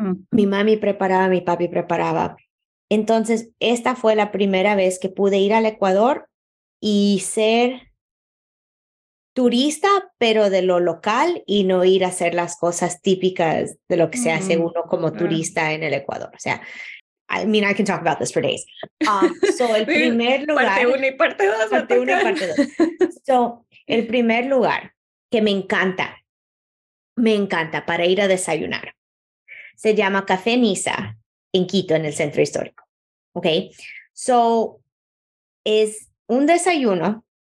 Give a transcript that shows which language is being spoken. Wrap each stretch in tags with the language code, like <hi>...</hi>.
<es>Mi mami preparaba, mi papi preparaba. Entonces, esta fue la primera vez que pude ir al Ecuador y ser turista, pero de lo local, y no ir a hacer las cosas típicas de lo que se hace uno como turista en el Ecuador. O sea,</es> <en>I mean, I can talk about this for days.</en> <es>El primer lugar... Parte uno y parte dos. Parte uno y parte dos. So, el primer lugar que me encanta para ir a desayunar, se llama Café Niza en Quito, en el Centro Histórico. Ok. So, es un desayuno.</es>